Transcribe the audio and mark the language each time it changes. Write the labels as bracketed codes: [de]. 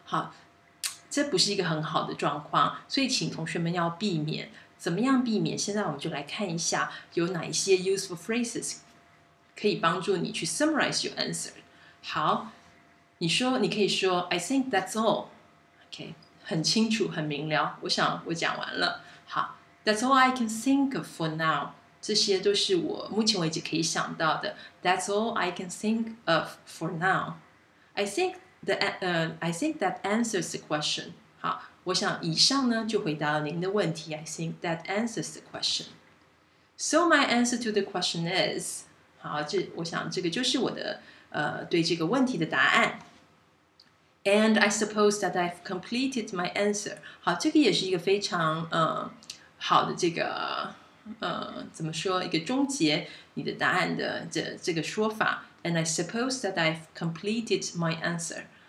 [zh] 好，这不是一个很好的状况，所以请同学们要避免。怎么样避免？现在我们就来看一下有哪一些 [en] useful phrases [zh] 可以帮助你去 [en] summarize your answer. [zh] 好，你说，你可以说 [en] I think that's all. [zh] OK, 很清楚，很明了，我想我讲完了。 [en] 好， That's all I can think of for now. [zh] 这些都是我目前为止可以想到的。 [en] That's all I can think of for now. I think that answers the question. [zh] 好，我想以上呢就回答了您的问题。 [en] I think that answers the question. So my answer to the question is... [zh] 好，这我想这个就是我的对这个问题的答案。 [en] And I suppose that I've completed my answer. [zh] 好，这个也是一个非常好的这个怎么说，一个终结你的答案的这个说法。 [en] And I suppose that I've completed my answer.